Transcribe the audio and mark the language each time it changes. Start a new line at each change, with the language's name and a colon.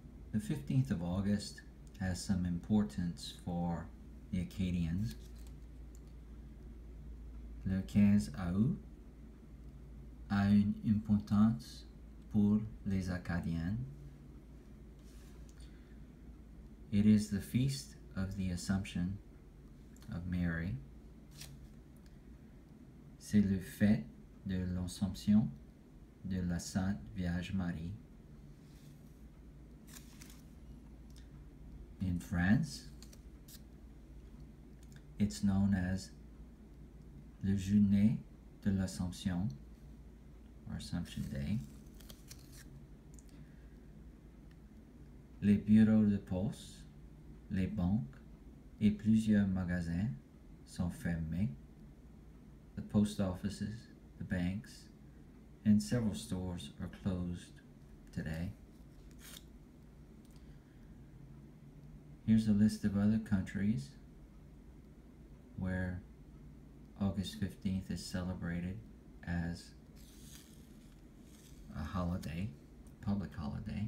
English: The 15th of August has some importance for the Acadians.
French: Le 15 août a une importance pour les Acadiens.
English: It is the feast of the Assumption of Mary.
French: C'est le fête de l'Assomption de la Sainte Vierge Marie.
English: In France, it's known as
French: le Journée de l'Assomption,
English: or Assumption Day.
French: Les bureaux de poste, les banques et plusieurs magasins sont fermés.
English: The post offices, the banks, and several stores are closed today. Here's a list of other countries where August 15th is celebrated as a holiday, public holiday.